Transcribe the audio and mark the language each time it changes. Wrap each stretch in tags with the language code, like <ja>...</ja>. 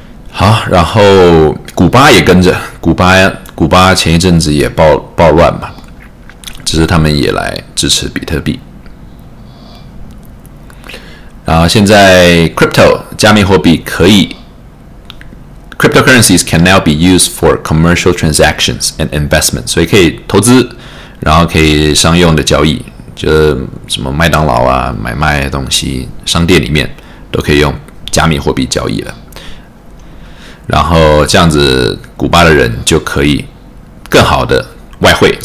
<zh>好，然后古巴也跟着，古巴前一阵子也暴乱嘛，只是他们也来支持比特币。然后现在 crypto 加密货币可以。</zh> <en>Cryptocurrencies can now be used for commercial transactions and investments.</en> <zh>所以可以投资，然后可以商用的交易，就什么麦当劳啊，买卖东西，商店里面都可以用加密货币交易了。然后这样子，古巴的人就可以更好的外汇。</zh>